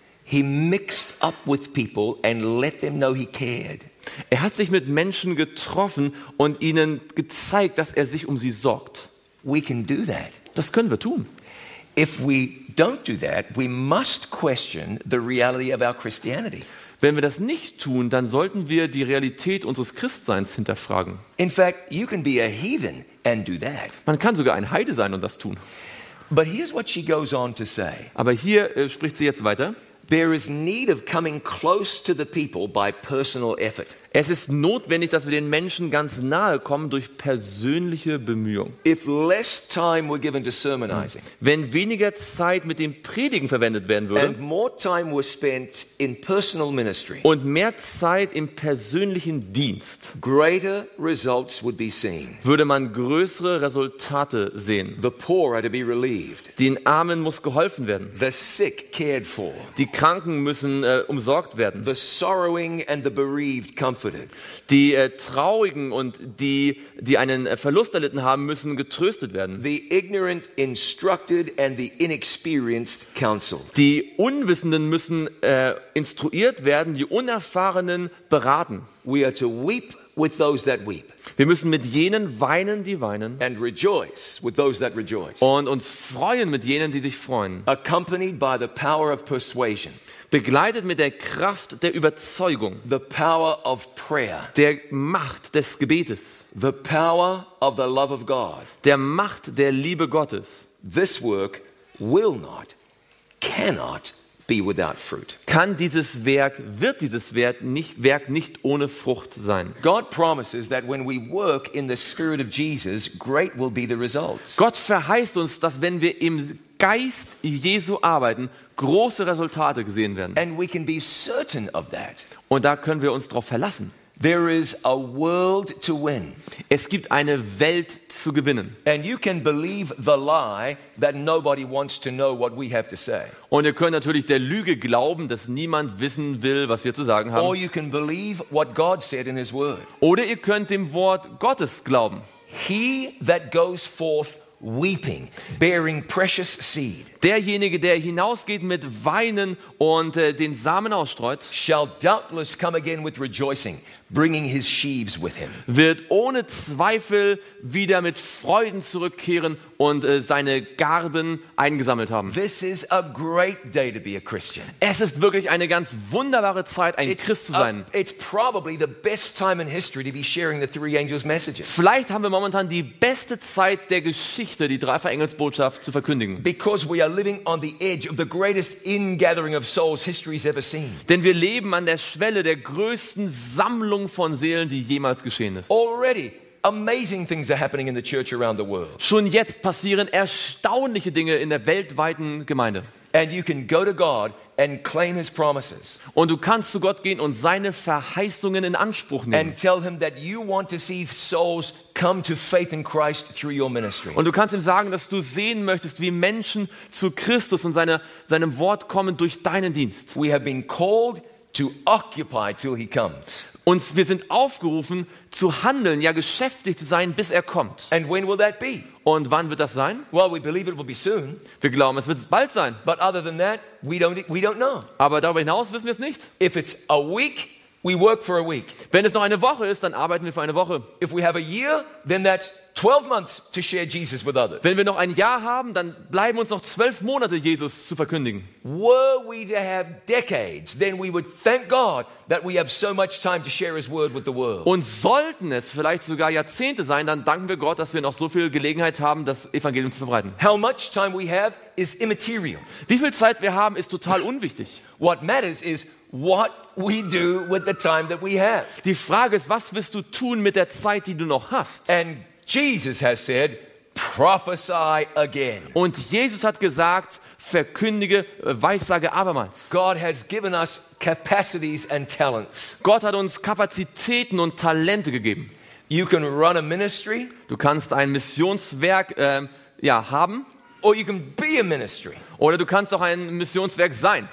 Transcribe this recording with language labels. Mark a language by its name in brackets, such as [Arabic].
[English] He mixed up with people and let them know he cared. [German] Er hat sich mit Menschen getroffen und ihnen gezeigt, dass er sich um sie sorgt. [English] We can do that. [German] Das können wir tun. [English] If we don't do that, we must question the reality of our Christianity. [German] Wenn wir das nicht tun, dann sollten wir die Realität unseres Christseins hinterfragen. [English] In fact, you can be a heathen and do that. [German] Man kann sogar ein Heide sein und das tun. [English] But here's what she goes on to say. [German] Aber hier spricht sie jetzt weiter. [English] There is need of coming close to the people by personal effort. [German] Es ist notwendig, dass wir den Menschen ganz nahe kommen durch persönliche Bemühung. [English] If less time were given to sermonizing, [German] wenn weniger Zeit mit dem Predigen verwendet werden würde, [English] and more time were spent in personal ministry, [German] und mehr Zeit im persönlichen Dienst, [English] greater results would be seen. [German] Würde man größere Resultate sehen. [English] The poor are to be relieved. [German] Den Armen muss geholfen werden. [English] The sick cared for. [German] Die Kranken müssen umsorgt werden. [English] The sorrowing and the bereaved come. [German] Die Traurigen und die einen Verlust erlitten haben, müssen getröstet werden. [English] The ignorant instructed and the inexperienced counseled. [German] Die Unwissenden müssen instruiert werden, die Unerfahrenen beraten. [English] We are to weep with those that weep. [German] Wir müssen mit jenen weinen, die weinen. [English] And rejoice with those that rejoice. [German] Und uns freuen mit jenen, die sich freuen. [English] Accompanied by the power of persuasion. [German] Begleitet mit der Kraft der Überzeugung, [English] the power of prayer, [German] der Macht des Gebetes, [English] the power of the love of God, [German] der Macht der Liebe Gottes. [English] This work will not, cannot be without fruit. [German] Kann dieses Werk, wird dieses Werk nicht ohne Frucht sein. [English] God promises that when we work in the Spirit of Jesus, great will be the results. [German] Gott verheißt uns, dass wenn wir im Geist Jesu arbeiten, große Resultate gesehen werden. [English] And we can be certain of that. [German] Und da können wir uns drauf verlassen. [English] There is a world to win. [German] Es gibt eine Welt zu gewinnen. [English] And you can believe the lie that nobody wants to know what we have to say. [German] Und ihr könnt natürlich der Lüge glauben, dass niemand wissen will, was wir zu sagen haben. [English] Or you can believe what God said in his word. [German] Oder ihr könnt dem Wort Gottes glauben. [English] He that goes forth weeping, bearing precious seed. [German] Derjenige, der hinausgeht mit Weinen und den Samen ausstreut, [English] shall doubtless come again with rejoicing, bringing his sheaves with him. [German] Wird ohne Zweifel wieder mit Freuden zurückkehren und seine Garben eingesammelt haben. [English] This is a great day to be a Christian. [German] Es ist wirklich eine ganz wunderbare Zeit, ein Christ zu sein. [English] It's probably the best time in history to be sharing the three angels' messages. [German] Vielleicht haben wir momentan die beste Zeit der Geschichte, die Dreifach-Engels-Botschaft zu verkündigen. [English] Because we are living on the edge of the greatest ingathering of souls history's ever seen. [German] Denn wir leben an der Schwelle der größten Sammlung von Seelen, die jemals geschehen ist. [English] Already amazing things are happening in the church around the world. [German] Schon jetzt passieren erstaunliche Dinge in der weltweiten Gemeinde. [English] And you can go to God and claim his promises. [German] Und du kannst zu Gott gehen und seine Verheißungen in Anspruch nehmen. [English] And tell him that you want to see souls come to faith in Christ through your ministry. [German] Und du kannst ihm sagen, dass du sehen möchtest, wie Menschen zu Christus und seinem Wort kommen durch deinen Dienst. [English] We have been called to occupy till he comes. [German] Und wir sind aufgerufen zu handeln, ja geschäftig zu sein, bis er kommt. [English] And when will that be? [German] Und wann wird das sein? [English] Well, we believe it will be soon. [German] Wir glauben, es wird bald sein. [English] But other than that, we don't know. [German] Aber darüber hinaus wissen wir es nicht. [English] If it's a week, we work for a week. [German] Wenn es noch eine Woche ist, dann arbeiten wir für eine Woche. [English] If we have a year, then that's 12 months to share Jesus with others. [German] Wenn wir noch ein Jahr haben, dann bleiben uns noch 12 Monate, Jesus zu verkündigen. [English] Were we to have decades, then we would thank God that we have so much time to share his word with the world. [German] Und sollten es vielleicht sogar Jahrzehnte sein, dann danken wir Gott, dass wir noch so viel Gelegenheit haben, das Evangelium zu verbreiten. [English] How much time we have is immaterial. [German] Wie viel Zeit wir haben, ist total unwichtig. [English] What matters is what we do with the time that we have. [German] Die Frage ist, was wirst du tun mit der Zeit, die du noch hast? [English] And Jesus has said, prophesy again. [German] Und Jesus hat gesagt, verkündige, weissage abermals. [English] God has given us capacities and talents. [German] Gott hat uns Kapazitäten und Talente gegeben. [English] You can run a ministry. [German] Du kannst ein Missionswerk haben. [English] Or you can be a ministry. [German] Oder du kannst auch ein Missionswerk sein.